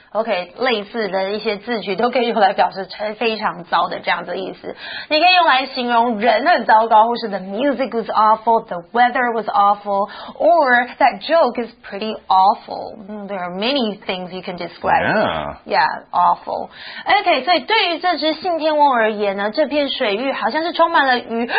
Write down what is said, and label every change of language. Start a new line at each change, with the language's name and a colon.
Chinese: Okay, 类似的一些字句都可以用来表示非常糟的这样子的意思。你可以用来形容人很糟糕，或是
English: the music was awful, the weather was awful, or that joke is pretty awful. There are many things you can describe. Yeah, awful.
Chinese: Okay, 所以对于这只信天翁而言呢，这片水域好像是充满了鱼。